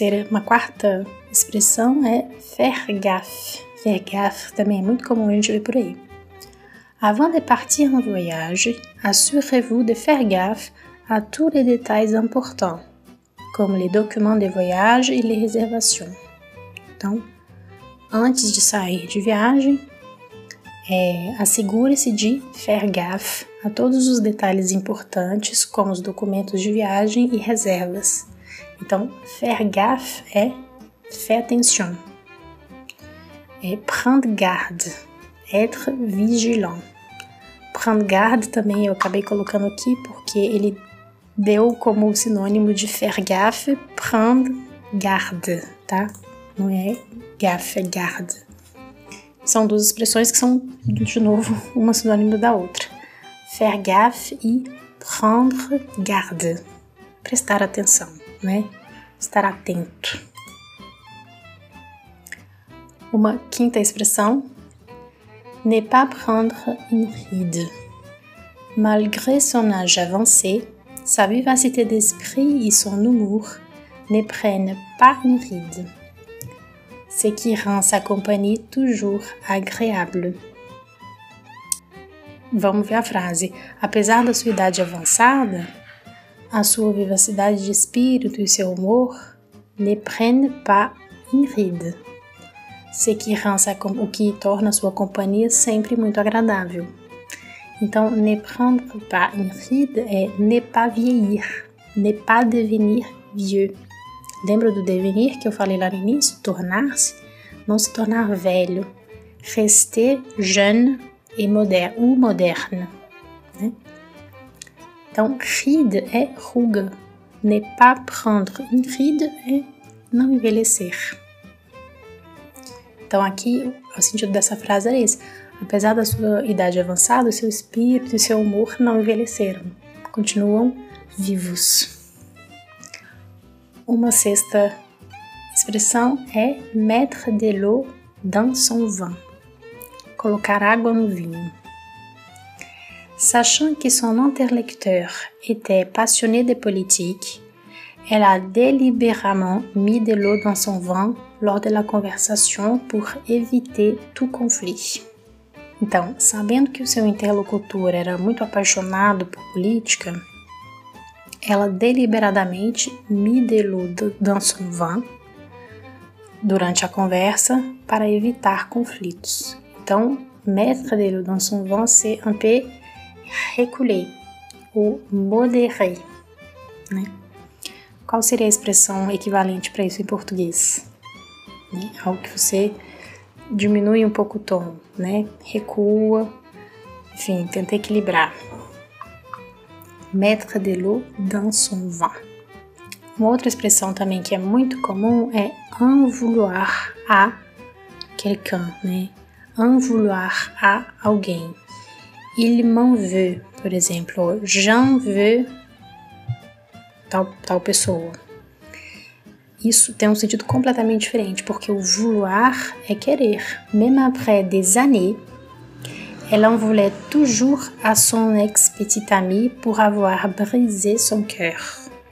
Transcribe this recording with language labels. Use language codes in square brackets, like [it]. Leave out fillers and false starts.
[pt] Uma quarta expressão é faire gaffe. Faire gaffe também é muito comum a gente ver por aí. Avant de partir en voyage, assurez-vous de faire gaffe à tous les détails importants, comme les documents de voyage et les réservations. Então, antes de sair de viagem, assegure-se de faire gaffe a todos os detalhes importantes, como os documentos de viagem e reservas. [fr] Então, faire gaffe é faire attention. É prendre garde, être vigilant. [pt] Prendre garde também eu acabei colocando aqui porque ele deu como sinônimo de faire gaffe, prendre garde, tá? Não é gaffe, é garde. São duas expressões que são, de novo, uma sinônimo da outra. [fr] Faire gaffe e prendre garde. [pt] Prestar atenção, né? Estar atento. Uma quinta expressão. [fr] Ne pas prendre une ride. Malgré son âge avancé, sa vivacité d'esprit et son humour ne prennent pas une ride. Ce qui rend sa compagnie toujours agréable. [pt] Vamos ver a frase. Apesar da sua idade avançada, a sua vivacidade de espírito e seu humor [fr] ne prennent pas une ride. Ce qui rend sa [pt] o que torna a sua companhia sempre muito agradável. [fr] Então, ne prendre pas une ride é ne pas vieillir, ne pas devenir vieux. [pt] Lembra do devenir que eu falei lá no início? Tornar-se? Não se tornar velho. [fr] Rester jeune et moderne, ou moderne. [pt] Né? Então, ride é ruga. [fr] Ne pas prendre une ride [pt] é não envelhecer. Então, aqui, o sentido dessa frase é esse. Apesar da sua idade avançada, seu espírito e seu humor não envelheceram. Continuam vivos. Uma sexta expressão é [fr] mettre de l'eau dans son vin. [pt] Colocar água no vinho. [fr] Sachant que son interlocuteur était passionné de politique, elle a délibérément mis de l'eau dans son vin lors de la conversation pour éviter tout conflit. [pt] Então, sabendo que o seu interlocutor era muito apaixonado por política, ela deliberadamente me deludou [fr] dans son vin [pt] durante a conversa para evitar conflitos. [fr] Então, mettre de l'eau dans son vin, c'est un peu reculer ou modérer. [pt] Né? Qual seria a expressão equivalente para isso em português? Né? Algo que você diminui um pouco o tom, né? Recua, enfim, tenta equilibrar. [fr] Mettre de l'eau dans son vin. [pt] Uma outra expressão também que é muito comum é en vouloir à quelqu'un, né? En vouloir à alguém. [fr] Il m'en veut, [pt] por exemplo, [fr] j'en veux [pt] tal pessoa. Isso tem um sentido completamente diferente, porque o vouloir é querer. [fr] Même après des années, elle en voulait toujours à son ex-petite amie pour avoir brisé son cœur.